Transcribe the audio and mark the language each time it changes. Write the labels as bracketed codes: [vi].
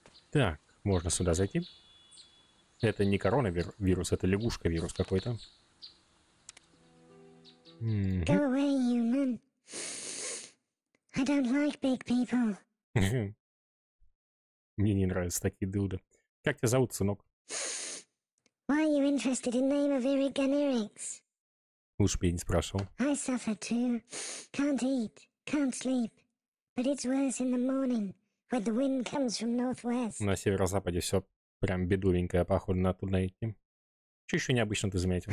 [ru] Так, можно сюда зайти. Это не коронавирус, это лягушка-вирус какой-то. [en] Go away, human. I don't like big people. [ru] Мне не нравятся такие дылды. Как тебя зовут, сынок? [en] Why are you interested in name of Eric and Eric's? [ru] Уж бы я не спрашивал. [en] I suffer too. Can't eat, can't sleep. But it's worse in the morning, when the wind comes from northwest. [ru] На северо-западе все прям бедовенькое, походу, на туда идти. Что еще необычно ты заметил?